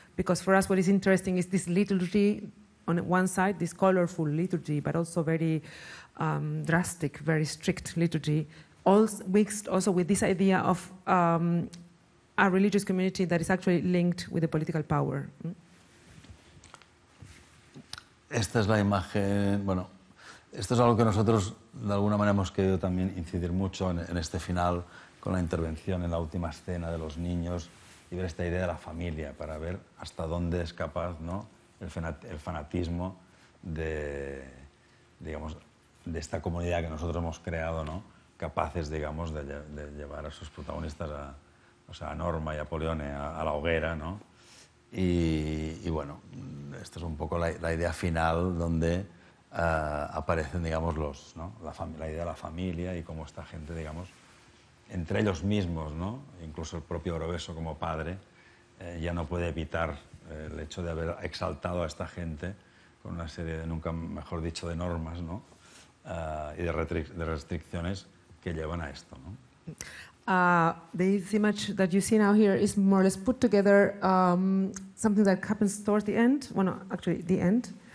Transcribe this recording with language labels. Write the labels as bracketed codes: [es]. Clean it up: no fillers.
[en] Because for us what is interesting is this liturgy on one side, this colorful liturgy, but also very drastic, very strict liturgy, all mixed also with this idea of a religious community that is actually linked with the political power. [es] Esta es la imagen, bueno, esto es algo que nosotros, de alguna manera, hemos querido también incidir mucho en este final, con la intervención en la última escena de los niños y ver esta idea de la familia, para ver hasta dónde es capaz, ¿no?, el fanatismo de, digamos, de esta comunidad que nosotros hemos creado, ¿no?, capaces, digamos, de llevar a sus protagonistas, a Norma y a Pollione, a la hoguera, ¿no? Y bueno, esta es un poco la idea final donde aparecen, digamos, los, ¿no?, la idea de la familia y cómo esta gente, digamos, entre ellos mismos, ¿no?, incluso el propio Orobeso como padre, ya no puede evitar el hecho de haber exaltado a esta gente con una serie de, nunca mejor dicho, de normas, ¿no?, y de restricciones que llevan a esto, ¿no? [en] This image that you see now here is more or less put together something that happens towards the end, bueno, actually the end.